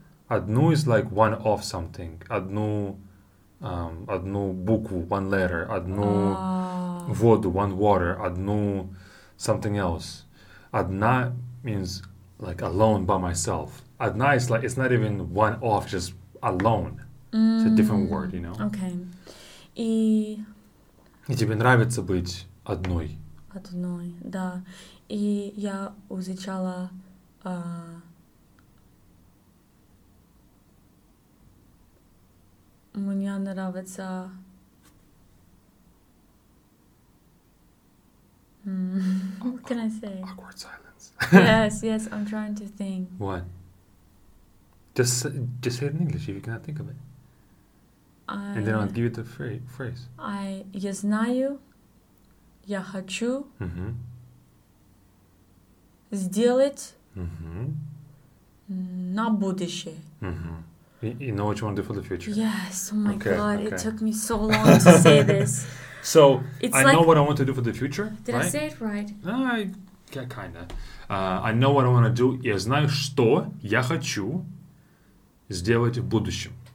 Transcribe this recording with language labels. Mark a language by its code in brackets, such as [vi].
[en] Одну is like one of something. [ru] Одну букву, [en] one letter. [ru] Одну воду, [en] one water. Одну something else. Одна means like alone by myself. Одна is like, it's not even one of, just alone. It's a different word, you know? Okay. [ru] И тебе нравится быть одной. Одной, да. И я изучала мне нравится [en] what can I say? Awkward silence. Yes, I'm trying to think. What? Just say it in English if you cannot think of it. And then I'll give you the phrase. [ru] I я знаю, я хочу сделать на будущее. [en] You know what you want to do for the future. Yes, oh my God, it took me so long to say this. So, know what I want to do for the future, did right? I say it right? Kinda. I know what I want to do. [ru] Я знаю, что я хочу сделать в будущем.